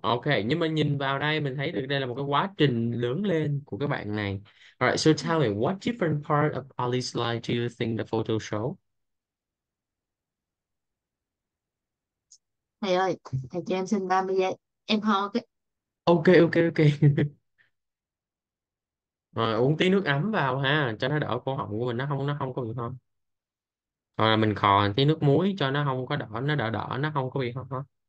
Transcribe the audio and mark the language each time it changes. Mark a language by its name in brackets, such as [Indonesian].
[Vietnamese] Ok, nhưng mà nhìn vào đây mình thấy được đây là một cái quá trình lớn lên của các bạn này. [English] Alright, so tell me, what different part of Ali's life do you think the photo [Vietnamese] Thầy ơi, thầy cho em xin 30 giây. Em ho cái. [English] show? Ok. [Vietnamese] Rồi, uống tí nước ấm vào ha, cho nó đỡ cổ họng của mình, nó không có bị ho. Hoặc là mình khò tí nước muối cho nó không có đỏ, nó đỏ đỏ, nó không có bị ho.